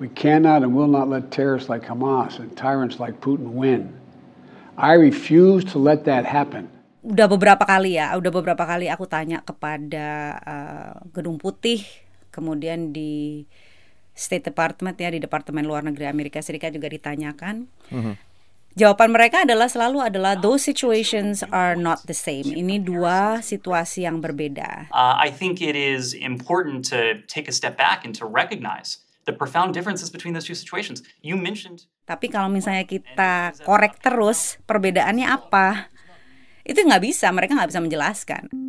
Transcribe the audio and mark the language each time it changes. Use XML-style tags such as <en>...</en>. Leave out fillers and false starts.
<en>We cannot and will not let terrorists like Hamas and tyrants like Putin win. I refuse to let that happen.</en> <id>Udah beberapa kali ya, udah beberapa kali aku tanya kepada Gedung Putih, kemudian di State Department ya, di Departemen Luar Negeri Amerika Serikat juga ditanyakan. Jawaban mereka adalah selalu adalah</id> <en>those situations are not the same.</en> <id>Ini dua situasi yang berbeda.</id> <en>I think it is important to take a step back and to recognize the profound differences between those two situations. You mentioned.</en> <id>Tapi kalau misalnya kita korek terus perbedaannya apa, itu nggak bisa, mereka nggak bisa menjelaskan.</id>